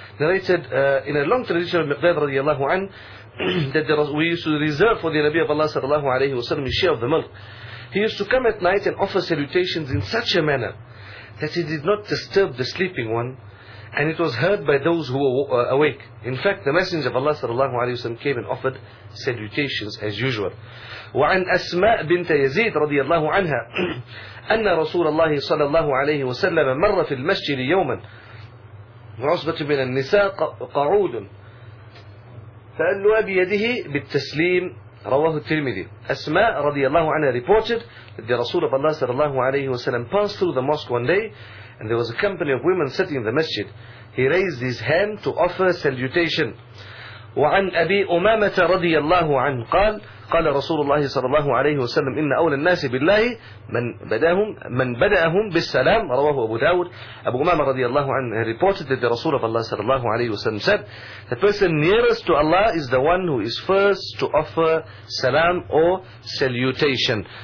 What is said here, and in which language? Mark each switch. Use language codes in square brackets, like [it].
[en] Narrated in a long tradition of المقداد [ar] رضي الله عنه [en] that we used to reserve for the Nabi of Allah [ar] صلى الله عليه وسلم [en] a share of the milk. He used to come at night and offer salutations in such a manner that he did not disturb the sleeping one, and it was heard by those who were awake. In fact, the Messenger of Allah sallallahu alayhi wa sallam came and offered salutations as usual. [ar] وعن أسماء بنت يزيد رضي الله عنها أن رسول الله صلى الله عليه وسلم مر في المسجد يوما وعصبة من النساء قعود فألوا بيده بالتسليم. رواه الترمذي. [en] أسماء [ar] رضي الله عنها [en] reported that the رسول of Allah [ar] صلى الله عليه وسلم [en] passed through the mosque one day and there was a company of women sitting in the masjid. He raised his hand to offer salutation. [ar] وعن أبي أمامة رضي الله عنه قال قال رسول الله صلى الله عليه وسلم إن أولى الناس بالله من بدأهم بالسلام. رواه أبو داود. [en] أبو أمامة [ar] رضي الله عنه [en] reported that the رسول of Allah [ar] صلى الله عليه وسلم [en] said the person nearest to Allah is the one who is first to offer salam or salutation.